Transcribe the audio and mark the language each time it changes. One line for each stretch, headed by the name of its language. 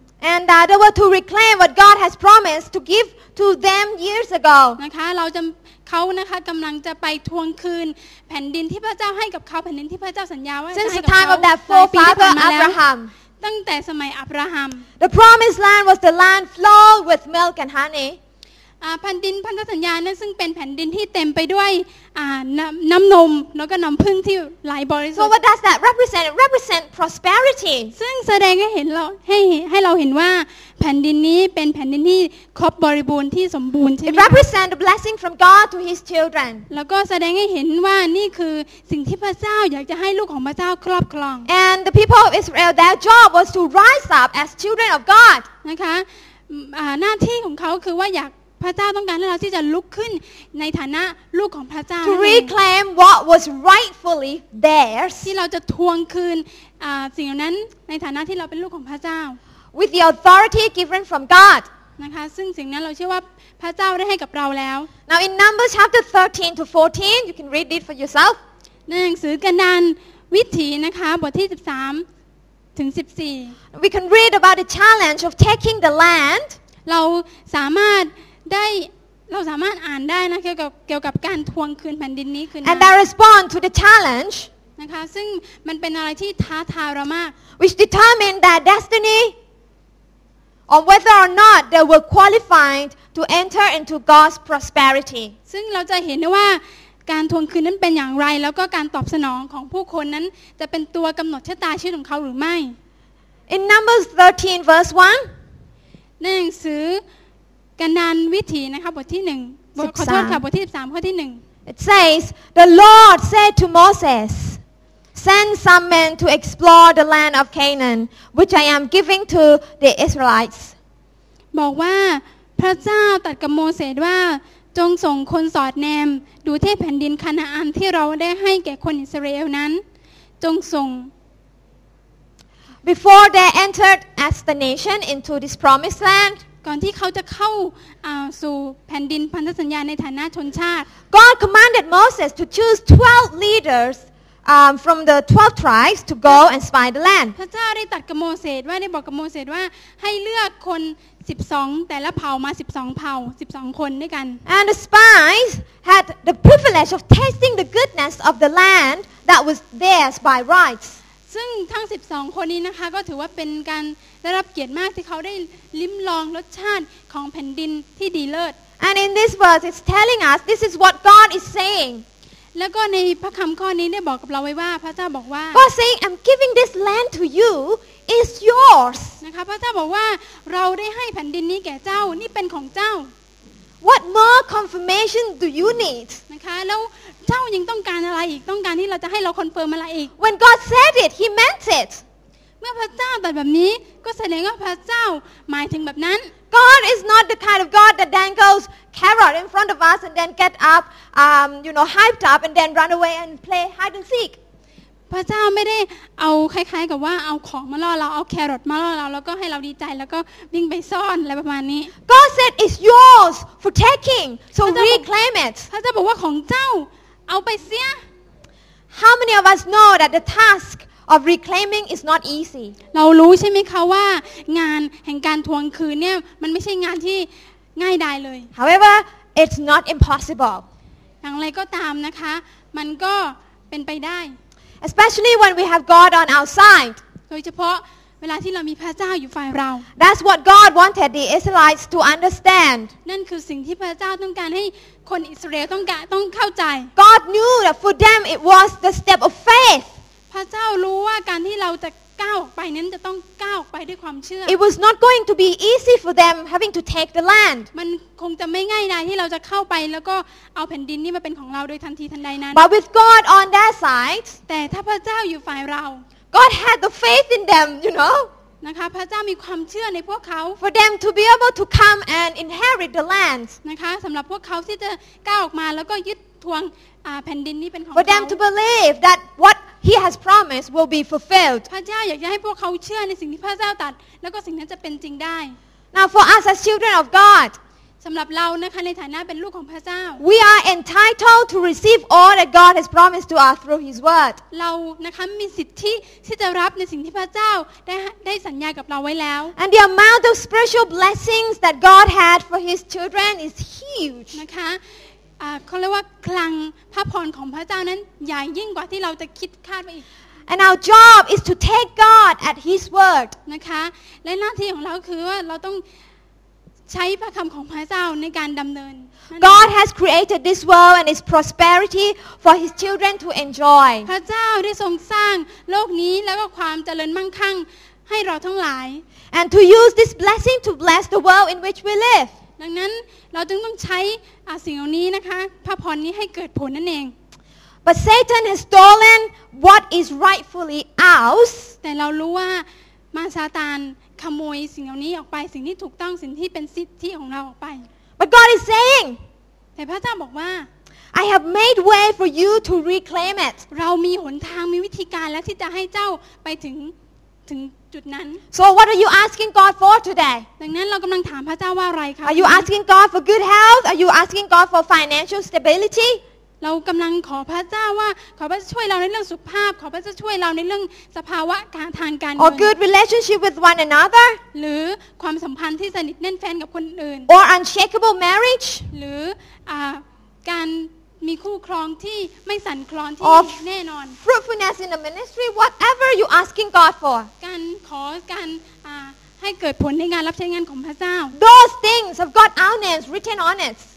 English: And they were to reclaim what God has promised to give to them years ago
Thai: นะคะเราจะเขานะคะกำลังจะไปทวงคืนแผ่นดินที่พระเจ้าให้กับเขาแผ่นดินที่พระเจ้าสัญญาว่า ให้กับ เขา ตั้งแต่สมัยของอับราฮัม ตั้งแต่สมัยอับราฮัม
English: The promised land was the land flowed with milk and honey
Thai: แผ่นดินพันธสัญญานั้นซึ่งเป็นแผ่นดินที่เต็มไปด้วยน้ำนมแล้วก็น้ำผึ้งที่ไหลบริสุทธิ์
English: So what does that represent? It represents prosperity
Thai: ซึ่งแสดงให้เห็นให้เราเห็นว่าแผ่นดินนี้เป็นแผ่นดินที่ครบบริบูรณ์ที่สมบูรณ์ใช่ไหม
English: It represents the blessing from God to His children
Thai: แล้วก็แสดงให้เห็นว่านี่คือสิ่งที่พระเจ้าอยากจะให้ลูกของพระเจ้าครอบครอง
English: And the people of Israel, their job was to rise up as children of God
Thai: นะคะหน้าที่ของเขาคือว่าอยากพระเจ้าต้องการให้เราที่จะลุกขึ้นในฐานะลูกของพระเจ้า
English: To reclaim what was rightfully theirs
Thai: ที่เราจะทวงคืนสิ่งนั้นในฐานะที่เราเป็นลูกของพระเจ้า
English: With the authority given from God
Thai: นะคะซึ่งสิ่งนั้นเราเชื่อว่าพระเจ้าได้ให้กับเราแล้ว
English: Now in Numbers chapter 13 to 14 you can read it for yourself
Thai: ในหนังสือกันดารวิถีนะคะบทที่13ถึง14
English: We can read about the challenge of taking the land
Thai: เราสามารถเราสามารถอ่านได้นะเกี่ยวกับการทวงคืนแผ่นดินนี้คือ
English: And I respond to the challenge
Thai: นะคะซึ่งมันเป็นอะไรที่ท้าทายเรามาก
English: which determine their destiny on whether or not they were qualified to enter into God's prosperity
Thai: ซึ่งเราจะเห็นว่าการทวงคืนนั้นเป็นอย่างไรแล้วก็การตอบสนองของผู้คนนั้นจะเป็นตัวกำหนดชะตาชีวิตของเขาหรือไม่
English: In Numbers 13 verse 1
Thai: ในหนังสือกันดารวิถีนะคะบทที่1บทขอโทษค่ะบทที่13ข้อที่1
English: It says, the Lord said to Moses, send some men to explore the land of Canaan, which I am giving to the Israelites.
Thai: บอกว่าพระเจ้าตรัสกับโมเสสว่าจงส่งคนสอดแนมดูที่แผ่นดินคานาอันที่เราได้ให้แก่คนอิสราเอลนั้นจงส่ง
English: Before they entered as the nation into this promised land
Thai: ก่อนที่เขาจะเข้าสู่แผ่นดินพันธสัญญาในฐานะชนชาติ
English: God commanded Moses to choose 12 leadersfrom the 12 tribes to go and spy the land.
Thai: พระเจ้าได้ตรัสกับโมเสสว่าได้บอกกับโมเสสว่าให้เลือกคน12แต่ละเผ่ามา12เผ่า12คนด้วยกัน
English: And the spies had the privilege of tasting the goodness of the land that was theirs by rights.
Thai: ซึ่งทั้ง12คนนี้นะคะก็ถือว่าเป็นการได้รับเกียรติมากที่เขาได้ลิ้มลองรสชาติของแผ่นดินที่ดีเลิศ
English: And in this verse it's telling us this is what God is saying
Thai: แล้วก็ในพระคำข้อนี้ได้บอกกับเราไว้ว่าพระเจ้าบอกว่า
English: God saying I'm giving this land to you is yours
Thai: นะคะพระเจ้าบอกว่าเราได้ให้แผ่นดินนี้แก่เจ้านี่เป็นของเจ้า
English: What more confirmation do you need
Thai: นะคะแล้วเจ้ายังต้องการอะไรอีกต้องการที่เราจะให้เราคอนเฟิร์มอะไรอีก
English: When God said it he meant it
Thai: เมื่อพระเจ้าตรัสแบบนี้ก็แสดงว่าพระเจ้าหมายถึงแบบนั้น
English: God is not the kind of God that dangles carrot in front of us and then get up, you know, hyped up and then run away and play hide and seek.
Thai: พระเจ้าไม่ได้เอาคล้ายๆกับว่าเอาของมาล่อเราเอาแครอทมาล่อเราแล้วก็ให้เราดีใจแล้วก็วิ่งไปซ่อนอะไรประมาณนี้
English: God said it's yours for taking, so reclaim it.
Thai: พระเจ้าบอกว่าของเจ้าเอาไปเสีย
English: How many of us know that the taskOf reclaiming is not easy.
Thai: เรารู้ใช่ไหมคะว่างานแห่งการทวงคืนเนี่ยมันไม่ใช่งานที่ง่ายดายเลย
English: However, it's not impossible.
Thai: อย่างไรก็ตามนะคะมันก็เป็นไปได้
English: Especially when we have God on our side.
Thai: โดยเฉพาะเวลาที่เรามีพระเจ้าอยู่ฝ่ายเรา
English: That's what God wanted the Israelites to understand.
Thai: นั่นคือสิ่งที่พระเจ้าต้องการให้คนอิสราเอลต้องเข้าใจ
English: God knew that for them it was the step of faith.
Thai: พระเจ้ารู้ว่าการที่เราจะก้าวออกไปนั้นจะต้องก้าวออกไปด้วยความเชื่อ
English: It was not going to be easy for them having to take the land
Thai: มันคงจะไม่ง่ายนะที่เราจะเข้าไปแล้วก็เอาแผ่นดินนี้มาเป็นของเราโดยทันทีทันใดนั้น
English: But with God on their side
Thai: แต่ถ้าพระเจ้าอยู่ฝ่ายเรา
English: God had the faith in them you know
Thai: นะคะพระเจ้ามีความเชื่อในพวกเขา
English: For them to be able to come and inherit the land
Thai: นะคะสำหรับพวกเขาที่จะก้าวออกมาแล้วก็ยึดทวงแผ่นดินนี้เป็นของเขา
English: For them to believe that whatHe has promised will be fulfilled.
Thai: พระเจ้าอยากให้พวกเขาเชื่อในสิ่งที่พระเจ้าตรัสแล้วก็สิ่งนั้นจะเป็นจริงได้
English: Now for us as children of God,
Thai: สำหรับเรานะคะในฐานะเป็นลูกของพระเจ้า
English: We are entitled to receive all that God has promised to us through His Word.
Thai: เรานะคะมีสิทธิที่จะรับในสิ่งที่พระเจ้าได้สัญญากับเราไว้แล้ว
English: And the amount of spiritual blessings that God had for His children is huge.
Thai: นะคะเขาเรียกว่าคลังพระพรของพระเจ้านั้นใหญ่ยิ่งกว่าที่เราจะคิดคาดไปอีก
English: And our job is to take God at His word
Thai: นะคะและหน้าที่ของเราคือว่าเราต้องใช้พระคำของพระเจ้าในการดำเนิน
English: God has created this world and its prosperity for His children to enjoy
Thai: พระเจ้าได้ทรงสร้างโลกนี้แล้วก็ความเจริญมั่งคั่งให้เราทั้งหลาย
English: And to use this blessing to bless the world in which we live
Thai: ดังนั้นเราจึงต้องใช้สิ่งเหล่านี้นะคะพระพรนี้ให้เกิดผลนั่นเอง
English: But Satan has stolen what is rightfully ours
Thai: แต่เรารู้ว่ามารซาตานขโมยสิ่งเหล่านี้ออกไปสิ่งที่ถูกต้องสิ่งที่เป็นสิทธิของเราออกไป
English: But God is saying
Thai: แต่พระเจ้าบอกว่า
English: I have made way for you to reclaim it
Thai: เรามีหนทางมีวิธีการแล้วที่จะให้เจ้าไปถึงจุดนั้น
English: So what are you asking God for today?
Thai: ดังนั้นเรากำลังถามพระเจ้าว่าอะไรคะ
English: Are you asking God for good health? Are you asking God for financial stability?
Thai: เรากำลังขอพระเจ้าว่าขอพระเจ้าช่วยเราในเรื่องสุขภาพขอพระเจ้าช่วยเราในเรื่องสภาวะทางการเงิน
English: Or good relationship with one another?
Thai: หรือความสัมพันธ์ที่สนิทแน่นแฟนกับคนอื่น
English: Or unshakable marriage?
Thai: หรือการมีคู่ครองที่ไม่สั่นคลอนที่แน่นอน
English: fruitfulness in the ministry whatever you asking God for
Thai: การขอการให้เกิดผลในงานรับใช้งานของพระเจ้า
English: those things have got our names written on it